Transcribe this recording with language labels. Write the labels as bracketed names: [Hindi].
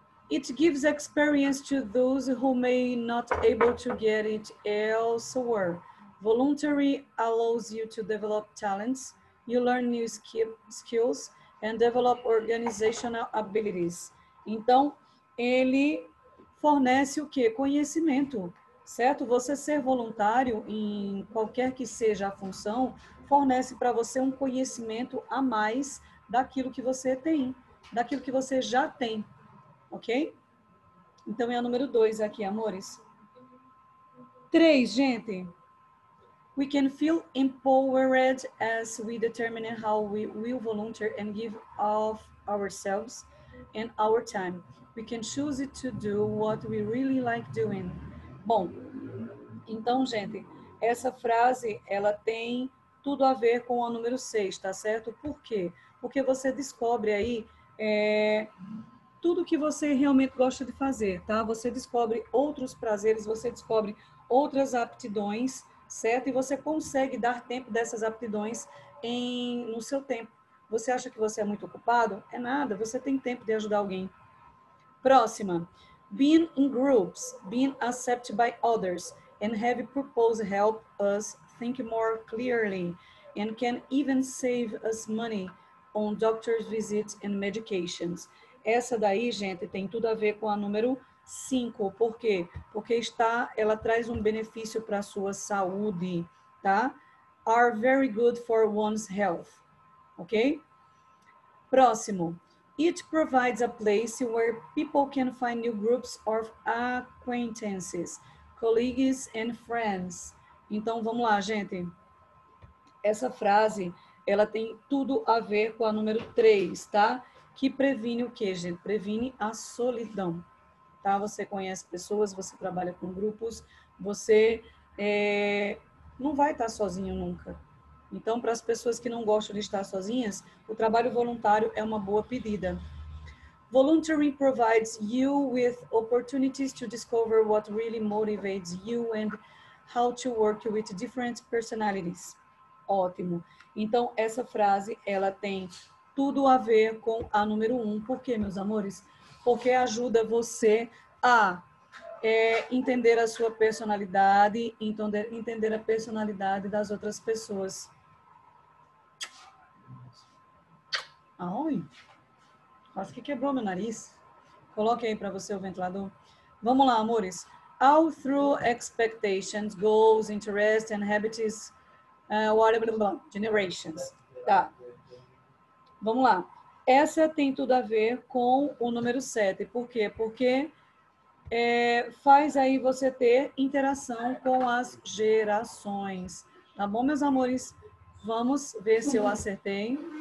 [English] It gives experience to those who may not able to get it elsewhere. Voluntary allows you to develop talents, you learn new skills and develop organizational abilities. [Portuguese] Então, ele fornece o quê? Conhecimento. Certo? Você ser voluntário em qualquer que seja a função fornece para você um conhecimento a mais daquilo que você tem, daquilo que você já tem, ok? Então é a número 2 aqui, amores. 3, gente. [English] We can feel empowered as we determine how we will volunteer and give of ourselves and our time. We can choose to do what we really like doing. [Portuguese] Bom, então, gente, essa frase ela tem tudo a ver com o número 6, tá certo? Por quê? Porque você descobre aí tudo que você realmente gosta de fazer, tá? Você descobre outros prazeres, você descobre outras aptidões, certo? E você consegue dar tempo dessas aptidões no seu tempo. Você acha que você é muito ocupado? É nada, você tem tempo de ajudar alguém. Próxima. [English] Being in groups, being accepted by others, and have purpose help us think more clearly, and can even save us money on doctor's visits and medications. [Portuguese] Essa daí, gente, tem tudo a ver com a número 5. Por quê? Porque ela traz um benefício para a sua saúde, tá? [English] Are very good for one's health. Ok? [Portuguese] Próximo. [English] It provides a place where people can find new groups of acquaintances, colleagues and friends. [Portuguese] Então vamos lá, gente. Essa frase, ela tem tudo a ver com a número 3, tá? Que previne o quê, gente? Previne a solidão, tá? Você conhece pessoas, você trabalha com grupos, você não vai estar sozinho nunca. Então, para as pessoas que não gostam de estar sozinhas, o trabalho voluntário é uma boa pedida. [English] Volunteering provides you with opportunities to discover what really motivates you and how to work with different personalities. [Portuguese] Ótimo. Então, essa frase, ela tem tudo a ver com a número 1. Por quê, meus amores? Porque ajuda você a entender a sua personalidade, entender a personalidade das outras pessoas. Ai, quase que quebrou meu nariz. Coloque aí para você o ventilador. Vamos lá, amores. [English] All through expectations, goals, interests and habits, whatever, generations. [Portuguese] Tá. Vamos lá. Essa tem tudo a ver com o número 7. Por quê? Porque faz aí você ter interação com as gerações. Tá bom, meus amores? Vamos ver se eu acertei.